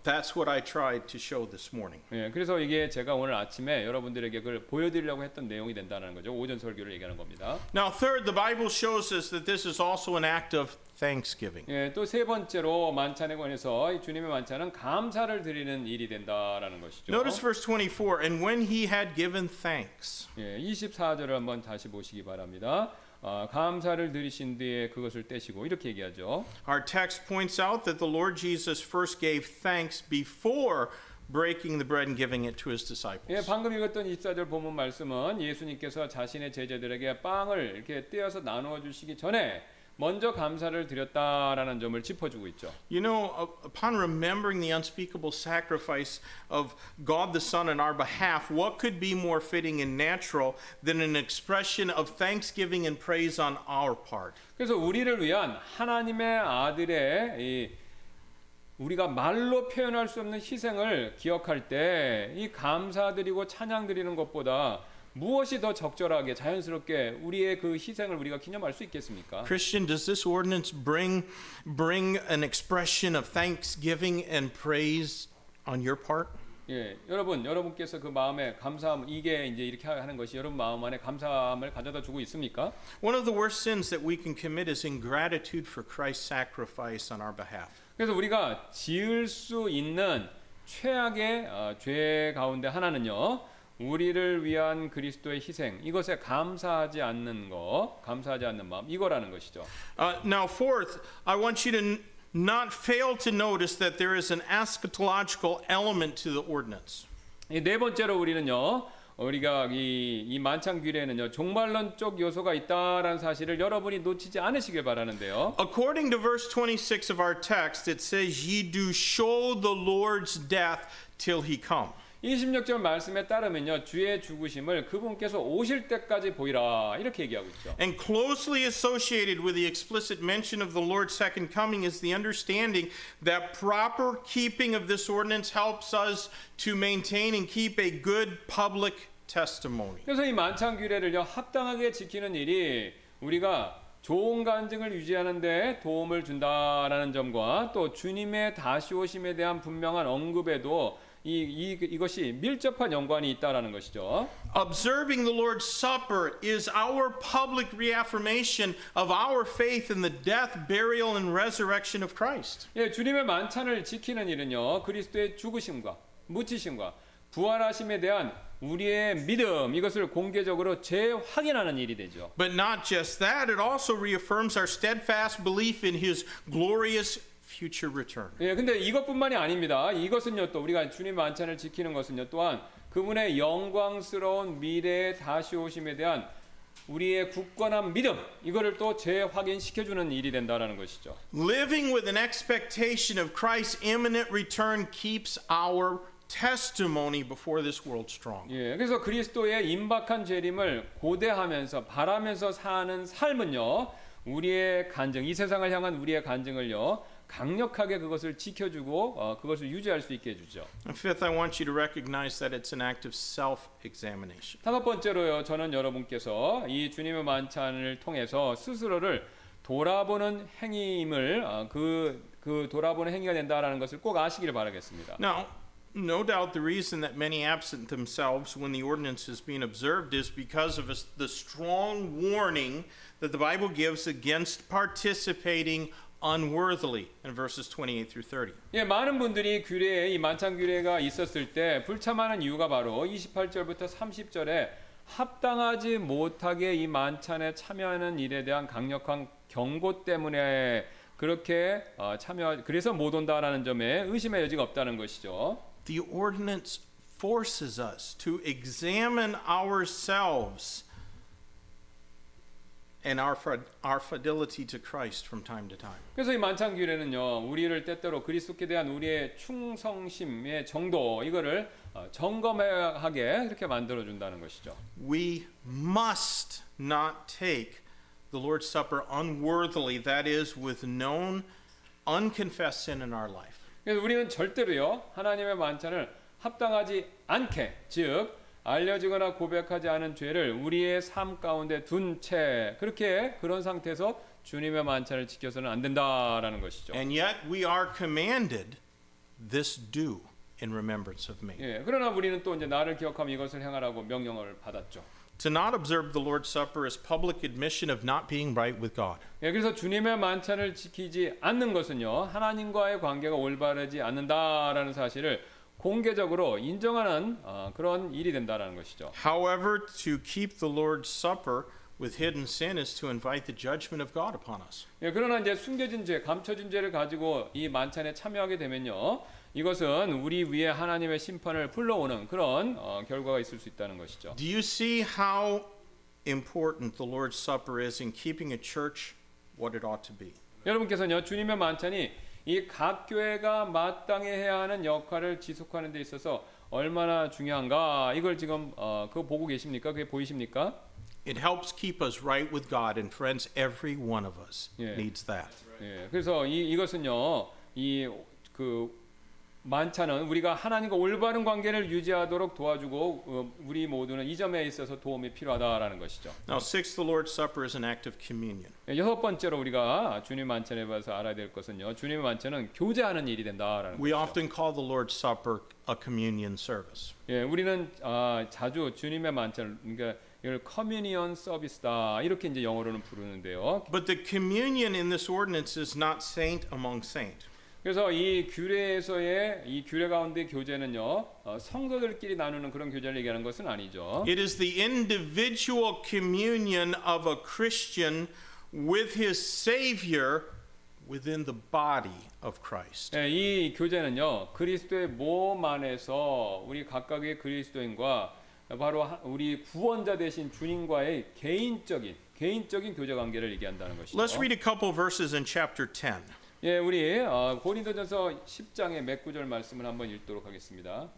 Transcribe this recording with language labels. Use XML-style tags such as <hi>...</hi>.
<en>That's what I tried to show this morning.</en> <ko>예, 그래서 이게 제가 오늘 아침에 여러분들에게 그걸 보여드리려고 했던 내용이 된다는 거죠. 오전 설교를 얘기하는 겁니다.</ko> <en>Now third, the Bible shows us that this is also an act of thanksgiving.</en> <ko>예, 또 세 번째로 만찬에 관해서 이 주님의 만찬은 감사를 드리는 일이 된다라는 것이죠.</ko> <en>Notice verse 24, and when he had given thanks.</en> <ko>예, 24절을 한번 다시 보시기 바랍니다. 감사를 드리신 뒤에 그것을 떼시고 이렇게 얘기하죠.</ko> <en>Our text points out that the Lord Jesus first gave thanks before breaking the bread and giving it to his disciples.</en> <ko>예, 방금 읽었던 24절 본문 말씀은 예수님께서 자신의 제자들에게 빵을 이렇게 떼어서 나누어 주시기 전에 먼저 감사를 드렸다라는 점을 짚어주고 있죠.</ko> <en>You know, upon remembering the unspeakable sacrifice of God the Son on our behalf, what could be more fitting and natural than an expression of thanksgiving and praise on our part?</en> <ko>그래서 우리를 위한 하나님의 아들의 이 우리가 말로 표현할 수 없는 희생을 기억할 때 이 감사드리고 찬양드리는 것보다 무엇이 더 적절하게 자연스럽게 우리의 그 희생을 우리가 기념할 수 있겠습니까?</ko> <en>Christian, does this ordinance bring an expression of thanksgiving and praise on your part?</en> <ko>예, 여러분께서 그 마음에 감사함 이게 이제 이렇게 하는 것이 여러분 마음 안에 감사함을 가져다 주고 있습니까?</ko> <en>One of the worst sins that we can commit is ingratitude for Christ's sacrifice on our behalf.</en> <ko>그래서 우리가 지을 수 있는 최악의 죄 가운데 하나는요. 우리를 위한 그리스도의 희생 이것에 감사하지 않는 거 감사하지 않는 마음 이거라는 것이죠.</ko> <en>Now fourth, I want you to not fail to notice that there is an eschatological element to the ordinance.</en> <ko>네 번째로 우리는요. 우리가 이 만찬 규례에는요. 종말론적 요소가 있다라는 사실을 여러분이 놓치지 않으시길 바라는데요.</ko> <en>According to verse 26 of our text, it says ye do show the Lord's death till he come.</en> <ko>26절 말씀에 따르면요, 주의 죽으심을 그분께서 오실 때까지 보이라 이렇게 얘기하고 있죠.</ko> <en>And closely associated with the explicit mention of the Lord's second coming is the understanding that proper keeping of this ordinance helps us to maintain and keep a good public testimony.</en> <ko>그래서 이 만찬 규례를요 합당하게 지키는 일이 우리가 좋은 간증을 유지하는 데 도움을 준다라는 점과 또 주님의 다시 오심에 대한 분명한 언급에도 이것이 밀접한 연관이 있다라는 것이죠.</ko> <en>Observing the Lord's Supper is our public reaffirmation of our faith in the death, burial, and resurrection of Christ.</en> <ko>예, 주님의 만찬을 지키는 일은요, 그리스도의 죽으심과 묻히심과 부활하심에 대한 우리의 믿음 이것을 공개적으로 재확인하는 일이 되죠.</ko> <en>But not just that, it also reaffirms our steadfast belief in His glorious future return.</en> <ko>예, 근데 이것뿐만이 아닙니다. 이것은요 또 우리가 주님 만찬을 지키는 것은요 또한 그분의 영광스러운 미래에 다시 오심에 대한 우리의 굳건한 믿음 이거를 또 재확인시켜 주는 일이 된다라는 것이죠.</ko> <en>Living with an expectation of Christ's imminent return keeps our testimony before this world strong.</en> <ko>예, 그래서 그리스도의 임박한 재림을 고대하면서 바라면서 사는 삶은요 우리의 간증 이 세상을 향한 우리의 간증을요 강력하게 그것을 지켜주고 그것을 유지할 수 있게 해주죠.</ko> <en>Fifth, I want you to recognize that it's an act of self-examination.</en> <ko>다섯 번째로요, 저는 여러분께서 이 주님의 만찬을 통해서 스스로를 돌아보는 행위임을 그 돌아보는 행위가 된다라는 것을 꼭 아시기를 바라겠습니다.</ko> <en>Now, no doubt the reason that many absent themselves when the ordinance is being observed is because of the strong warning that the Bible gives against participating unworthily in verses 28-30.</en> <ko>예, 많은 분들이 규례에 이 만찬 규례가 있었을 때 불참하는 이유가 바로 28절부터 30절에 합당하지 못하게 이 만찬에 참여하는 일에 대한 강력한 경고 때문에 그렇게 참여 그래서 못 온다라는 점에 의심의 여지가 없다는 것이죠.</ko> <en>The ordinance forces us to examine ourselves and our fidelity to Christ from time to time.</en> <ko>그래서 이 만찬 규례는요, 우리를 때때로 그리스도께 대한 우리의 충성심의 정도 이거를 점검하게 이렇게 만들어 준다는 것이죠.</ko> <en>We must not take the Lord's Supper unworthily, that is with known unconfessed sin in our life.</en> <ko>그래서 우리는 절대로요, 하나님의 만찬을 합당하지 않게 즉 알려지거나 고백하지 않은 죄를 우리의 삶 가운데 둔 채 그렇게 그런 상태에서 주님의 만찬을 지켜서는 안 된다라는 것이죠.</ko> <en>And yet we are commanded this do in remembrance of me.</en> <ko>예, 그러나 우리는 또 이제 나를 기억하며 이것을 행하라고 명령을 받았죠.</ko> <en>To not observe the Lord's Supper is public admission of not being right with God.</en> <ko>예, 그래서 주님의 만찬을 지키지 않는 것은요 하나님과의 관계가 올바르지 않는다라는 사실을 공개적으로 인정하는 그런 일이 된다라는 것이죠.</ko> <en>However, to keep the Lord's Supper with hidden sin is to invite the judgment of God upon us.</en> <ko>예, 그러나 이제 숨겨진 죄, 감춰진 죄를 가지고 이 만찬에 참여하게 되면요, 이것은 우리 위에 하나님의 심판을 불러오는 그런 결과가 있을 수 있다는 것이죠.</ko> <en>Do you see how important the Lord's Supper is in keeping a church what it ought to be?</en> <ko>여러분께서는요, 주님의 만찬이 이 각 교회가 마땅히 해야 하는 역할을 지속하는 데 있어서 얼마나 중요한가 이걸 지금 그거 보고 계십니까? 그게 보이십니까?</ko> <en>It helps keep us right with God and friends. Every one of us needs that.</en> <ko>예, 그래서 이것은요 이 그 만찬은 우리가 하나님과 올바른 관계를 유지하도록 도와주고 우리 모두는 이 점에 있어서 도움이 필요하다라는 것이죠.</ko> <en>Now, sixth, the Lord's Supper is an act of communion.</en> <ko>여섯 번째로 우리가 주님 만찬에 대해서 알아야 될 것은요, 주님 만찬은 교제하는 일이 된다라는 것이죠.</ko> <en>We often call the Lord's Supper a communion service.</en> <ko>예, 우리는 자주 주님의 만찬을 그러니까 이걸 communion service다 이렇게 이제 영어로는 부르는데요.</ko> <en>But the communion in this ordinance is not saint among saint.</en> <ko>그래서 이 규례에서의 이 규례 가운데 교제는요 성도들끼리 나누는 그런 교제를 얘기하는 것은 아니죠.</ko> <en>It is the individual communion of a Christian with his Savior within the body of Christ.</en> <ko>예, 이 교제는요 그리스도의 몸 안에서 우리 각각의 그리스도인과 바로 우리 구원자 되신 주님과의 개인적인 교제 관계를 얘기한다는 것이죠.</ko> <en>Let's read a couple verses in chapter 10.</en> <ko>예, 우리 고린도전서 10장의 몇 구절 말씀을 한번 읽도록 하겠습니다.</ko>